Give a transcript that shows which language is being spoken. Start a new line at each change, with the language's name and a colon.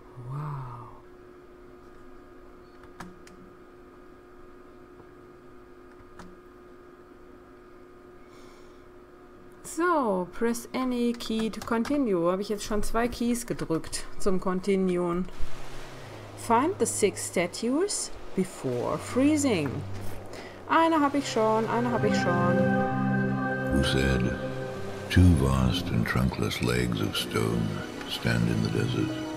German: Wow. So,
English: press any key to continue.
German: Habe ich jetzt schon zwei Keys gedrückt zum Continuen.
English: Find the six statues before freezing.
German: Eine habe ich schon, eine habe ich schon.
English: Who said, two vast and trunkless legs of stone stand in the desert?